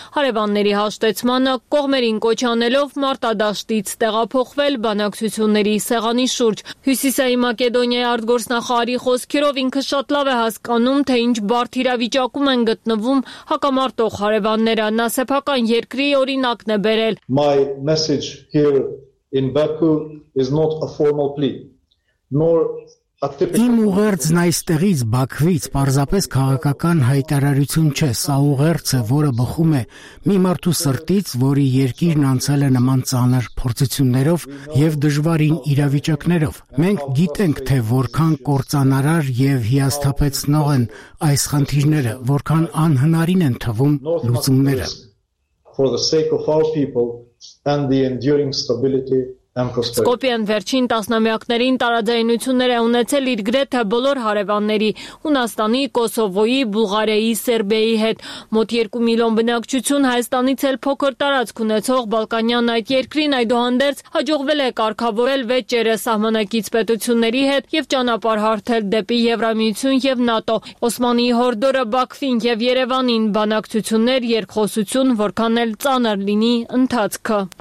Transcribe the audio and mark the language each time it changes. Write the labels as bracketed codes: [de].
[hy] հարևանների հաշտեցմանը, կողմերին կոչանելով մարտադաշտից տեղափոխվել բանակցությունների սեղանի շուրջ։ Հյուսիսային Մակեդոնիայի արտգործնախարարի խոսքերով ինքը շատ լավ է հասկանում, թե ինչ բարդ իրավիճակում են գտնվում հակամարտող հարևանները, նա սեփական երկրի օրինակն է բերել։ [en] In Baku is not a formal plea, nor a typical. [hy] Իմ ուղերձն այստեղից Բաքվից պարզապես քաղաքական հայտարարություն չէ, սա ուղերձ է, որը բխում է մի մարդու սրտից, որի երկիրն անցել է նման ծանր փորձություններով եւ դժվարին իրավիճակներով։ Մենք գիտենք, թե որքան կործանարար եւ հիասթափեցնող են այս խնդիրները, որքան անհնարին են թվում լուծումները։ [en] For the sake of our people and the enduring stability and prosperity. [hy] Սկոպիան վերջին տասնամյակներին տարաձայնություններ է ունեցել իր գրեթե բոլոր հարևանների՝ Հունաստանի, Կոսովոյի, Բուլղարիայի, Սերբիայի հետ։ Մոտ 2 միլիոն բնակչություն Հայաստանից էլ փոքր տարածք ունեցող Բալկանյան այդ երկրին այդուհանդերձ հաջողվել է կարգավորել վեճերը սահմանակից պետությունների հետ եւ ճանապարհ հարթել դեպի Եվրամիություն եւ ՆԱՏՕ։ Օսմանի հորդորը Բաքվին եւ Երևանին բանակցություններ, երկխոսություն, որքան էլ ծանր լինի ընթացքը։